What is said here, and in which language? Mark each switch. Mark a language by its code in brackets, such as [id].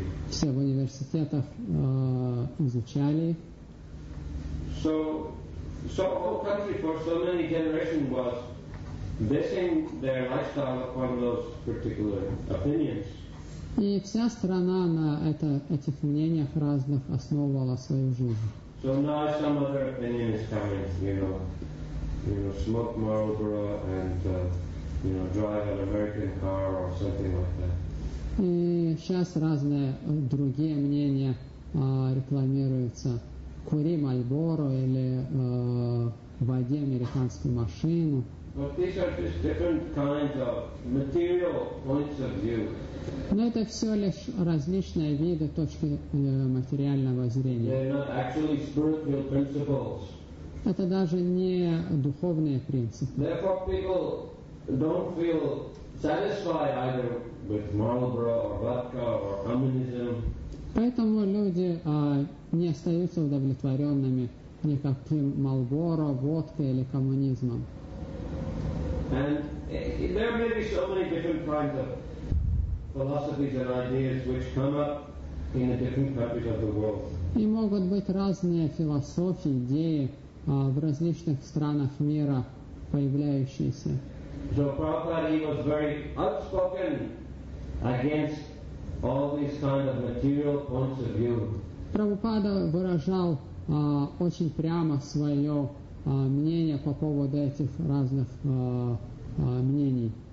[ru] Все в университетах изучали. [en] So whole country for so many generations was basing their lifestyle upon those particular opinions. [ru] И вся страна на этих мнениях разных основывала свою жизнь. [en] So now some other opinion is coming, you know, smoke Marlboro and drive an American car or something like that. [ru] И сейчас разные другие мнения рекламируются. Кури Marlboro или води американскую машину. [en] But these are just different kinds of material points of view. [ru] Но это все лишь различные виды точки материального зрения. [en] They're not actually spiritual principles. [ru] Это даже не духовные принципы. [en] Therefore, people don't feel satisfied either with Marlboro or vodka or communism. [ru] Поэтому люди не остаются удовлетворенными никаким Marlboro, водкой или коммунизмом. [en] And there may be so many different kinds of philosophies and ideas which come up in the different countries of the world. [ru] И могут быть разные философии, идеи в различных странах мира появляющиеся. [en] So Prabhupada, he was very outspoken against all these kind of material points of view. [ru] Прабхупада выражал очень прямо свое мнение по поводу этих разных мнений.